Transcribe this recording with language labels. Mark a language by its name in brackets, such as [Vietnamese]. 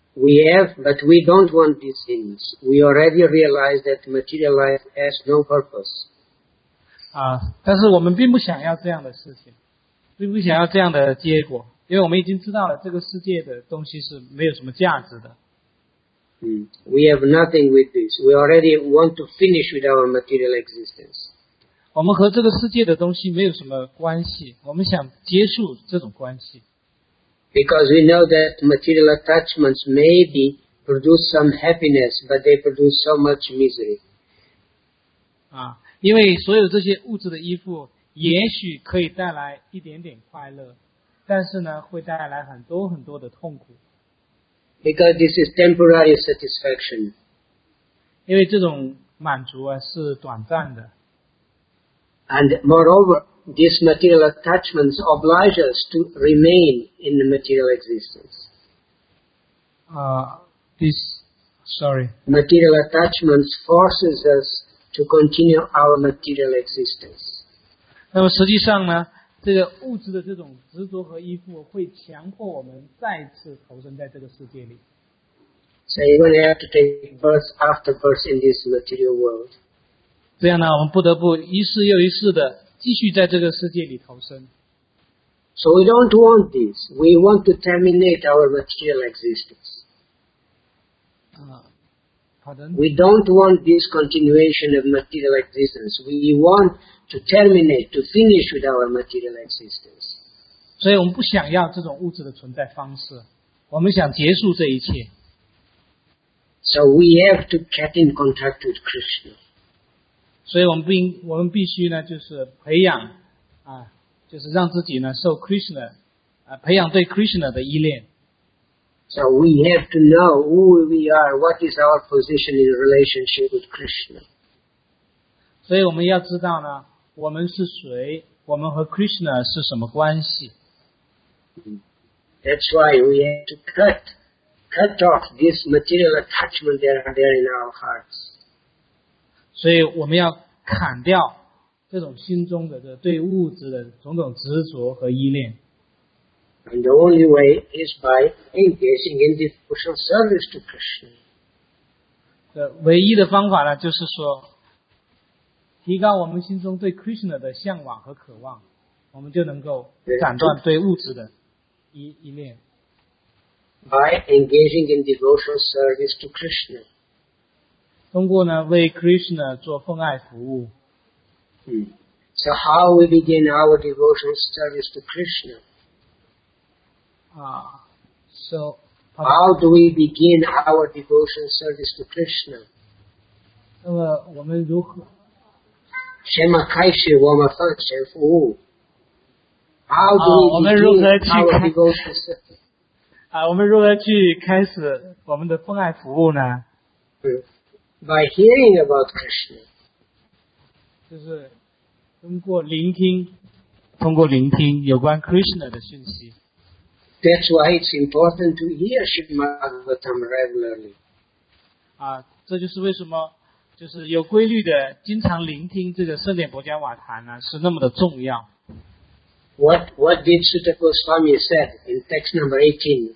[English] We have, but we don't want these things. We already realize that material life has no purpose. [Chinese] 但是我们并不想要这样的事情，并不想要这样的结果，因为我们已经知道了这个世界的东西是没有什么价值的。 [English] We have nothing with this. We already want to finish with our material existence. [Chinese] 我们和这个世界的东西没有什么关系，我们想结束这种关系。 [English] Because we know that material attachments maybe produce some happiness, but they produce so much misery. [Chinese] 因为所有这些物质的依附也许可以带来一点点快乐，但是呢，会带来很多很多的痛苦。 [English] Because this is temporary satisfaction. [Chinese] 因为这种满足啊是短暂的。 [English] And moreover,These material attachments oblige us to remain in the material existence. Material attachments forces us to continue our material existence. [Chinese] 那么实际上呢，这个物质的这种执着和依附会强迫我们再次投身在这个世界里。 [English] So you're going to have to take birth after birth in this material world. [Chinese] 这样呢，我们不得不一世又一世的。继续在这个世界里投身。 [English] So we don't want this. We want to terminate our material existence. Pardon? We don't want this continuation of material existence. We want to terminate, to finish with our material existence. [Chinese] 所以我们不想要这种物质的存在方式。我们想结束这一切。 [English] So we have to get in contact with Krishna. [Chinese] 所以我们必须呢，就是培养啊，就是让自己呢受 Krishna 啊，培养对 Krishna 的依恋。 [English] So we have to know who we are, what is our position in relationship with Krishna. [Chinese] 所以我们要知道呢，我们是谁，我们和 Krishna 是什么关系。 [English] That's why we have to cut off this material attachment that are there in our hearts. [Chinese] 所以我们要砍掉这种心中的对物质的种种执着和依恋。 [English] And the only way is by engaging in devotional service to Krishna. [Chinese] 唯一的方法呢，就是说，提高我们心中对 Krishna 的向往和渴望，我们就能够斩断对物质的依恋。 [English] By engaging in devotional service to Krishna. [Chinese] 通过呢，为 Krishna 做奉爱服务。 [English] So how we begin our devotional service to Krishna? How do we begin our devotion service to Krishna? [Chinese] 那么我们如何？什么开始我们奉献服务 [English] ？How do we begin our devotion service? [Chinese] 我们如何去开始我们的奉爱服务呢 [English] ？By hearing about Krishna. [Chinese] 就是通过聆听有关 Krishna 的讯息。 [English] That's why it's important to hear Śrīmad-Bhāgavatam regularly. [Chinese] 这就是为什么，就是有规律的经常聆听这个圣典薄伽瓦坛呢，是那么的重要。 [English] What did Śrīla Gosvāmī say in text number 18?